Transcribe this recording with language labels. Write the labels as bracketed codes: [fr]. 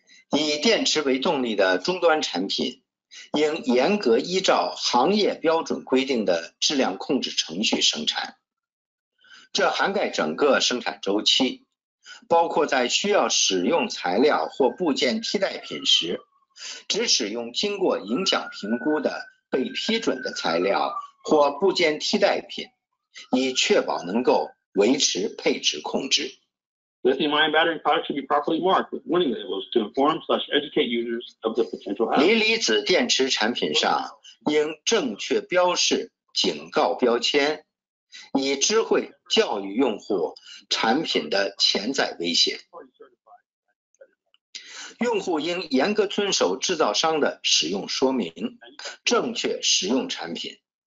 [zh] 以电池为动力的终端产品应严格依照行业标准规定的质量控制程序生产，这涵盖整个生产周期，包括在需要使用材料或部件替代品时，只使用经过影响评估的被批准的材料或部件替代品，以确保能够维持配置控制。 [en] Lithium-ion battery products should be properly marked with warning labels to inform/educate users of the potential hazard. [zh] 锂离子电池产品上应正确标示警告标签，以知会教育用户产品的潜在危险。用户应严格遵守制造商的使用说明，正确使用产品。